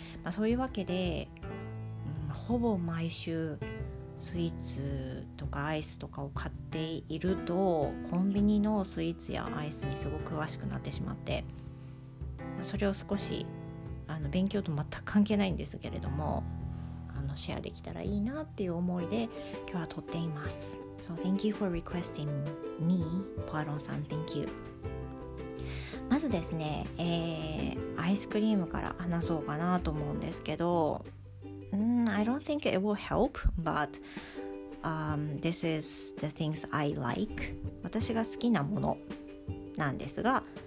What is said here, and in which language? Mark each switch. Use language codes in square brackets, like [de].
[ja] そういうわけで、ほぼ毎週スイーツとかアイスとかを買っていると、コンビニのスイーツやアイスにすごく詳しくなってしまって、それを少し勉強と全く関係ないんですけれども、シェアできたらいいなっていう思いで今日は撮っています。 [en] So thank you for requesting me, Poiron さん、 thank you。 [ja] まずですね、アイスクリームから話そうかなと思うんですけど、 [en] I don't think it will help, but this is the things I like. [ja] 私が好きなものなんですが、